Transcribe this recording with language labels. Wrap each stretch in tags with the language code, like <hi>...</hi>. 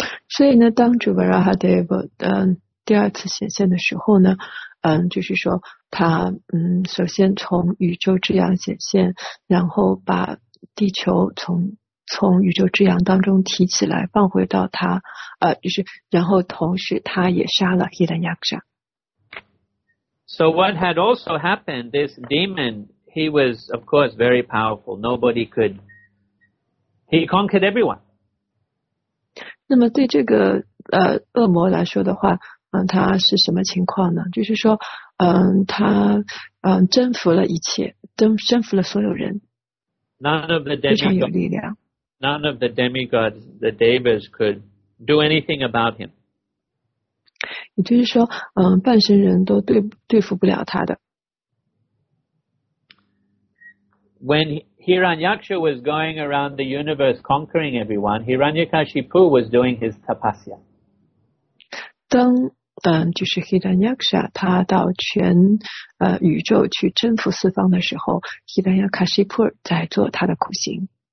<zh>所以呢当主 Varahadev 第二次显现的时候呢就是说他首先从宇宙之阳显现然后把地球从宇宙之阳当中提起来放回到他就是然后同时他也杀了 Hiranyaksha.</zh> <en>So what had also happened, this demon, he was, of course, very powerful. Nobody could, he conquered everyone.</en> <zh>那么对这个恶魔来说的话他是什么情况呢就是说他征服了一切征服了所有人。</zh> <en>None of the demigods,</en> <zh>非常有力量。</zh> <en>None of the demigods, the devas could do anything about him.</en> <zh>也就是说半神人都对付不了他的。</zh> <en>When Hiranyaksha was going around the universe conquering everyone, Hiranyakashipu was doing his tapasya.</en> <zh>当就是 Hiranyaksha, 他到全宇宙去征服四方的时候 ,Hiranyakashipu 在做他的苦行。</zh>